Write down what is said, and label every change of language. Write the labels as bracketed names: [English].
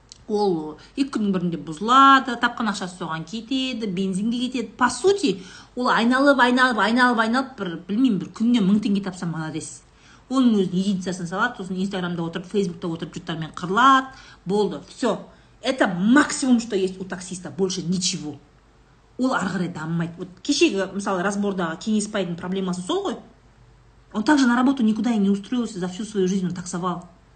[Kazakh] Ол екі күннің бірінде бұзылады, тапқан ақшасы соған кетеді, бензинге кетеді. [Russian] По сути [Kazakh] ол айналып бір білмеймін, бір күніне 1000 теңге тапса молодец. Оның өзінің единицасын салады, сосын инстаграмда отырып, фейсбукта отырып жұрттармен қырылады, болды, все. [Russian] Это максимум, что есть у таксиста, больше ничего. [Kazakh] Ол ары қарай дамымайды. Вот кешегі мысалы разбордағы кеңеспайдың проблемасы сол ғой. [Russian] Он также на работу никуда и не устроился, за всю свою жизнь он таксовал.